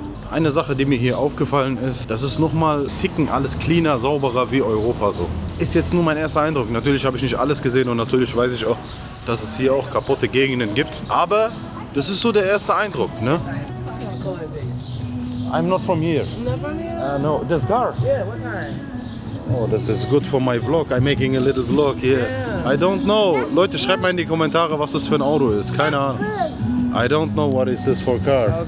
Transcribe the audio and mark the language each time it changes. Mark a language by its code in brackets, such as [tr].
[de] Eine Sache, die mir hier aufgefallen ist, das ist nochmal ticken alles cleaner, sauberer wie Europa so. Ist jetzt nur mein erster Eindruck. Natürlich habe ich nicht alles gesehen und natürlich weiß ich auch, dass es hier auch kaputte Gegenden gibt. Aber das ist so der erste Eindruck, ne? [en] I'm not from here. Not from here? No, this car. Yeah, what kind? Oh, this is good for my vlog. I'm making a little vlog here. Yeah. I don't know. [de] Leute, schreibt mal in die Kommentare, was das für ein Auto ist. Keine Ahnung. [en] I don't know what is this for car.